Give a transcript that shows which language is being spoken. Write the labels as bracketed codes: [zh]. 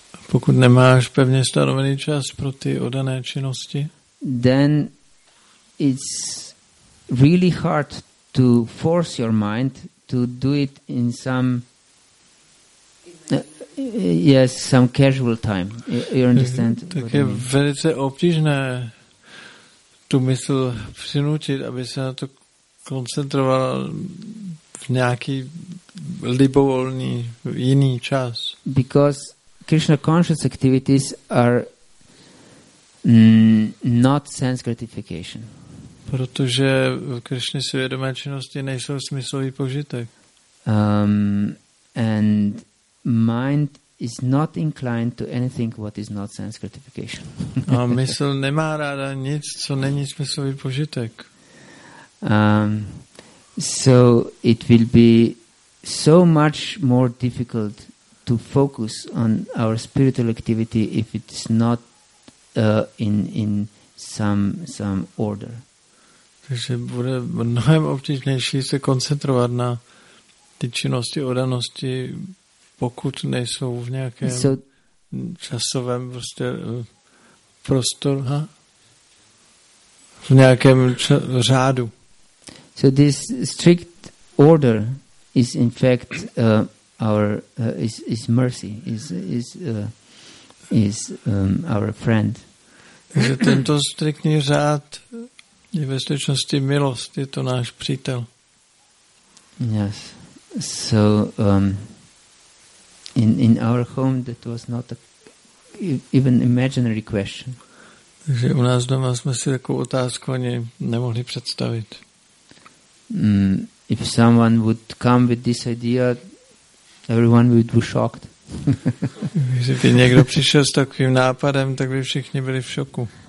[cs] Pokud nemáš pevně stanovený čas pro ty oddané činnosti, [en] then it's really hard to force your mind to do it in some casual time. You understand? [cs] Tak je velice obtížné tu mysl přinutit, aby se na to koncentroval v nějaký libovolný jiný čas. [en] Because Krishna conscious activities are not sense gratification. [cs] Protože Krishna svědomé činnosti nejsou smyslový požitek. [en] And mind is not inclined to anything what is not sense gratification. [cs] A mysl nemá ráda nic, co není smyslový požitek. [en] So it will be so much more difficult to focus on our spiritual activity if it's not in some order. [cs] Takže bude mnohem obtížnější se koncentrovat na ty činnosti odanosti, pokud nejsou v nějakém časovém prostě prostoru, v nějakém řádu. [en] So this strict order is in fact our mercy, is our friend. [cs] Takže tento striktní řád je ve skutečnosti milost, je to náš přítel. [en] Yes. So in our home that was not a even imaginary question. [cs] Takže u nás doma jsme si takovou otázku ani nemohli představit. [en] If someone would come with this idea, everyone would be shocked. [cs] Kdyby někdo přišel s takovým nápadem, tak by všichni byli v šoku.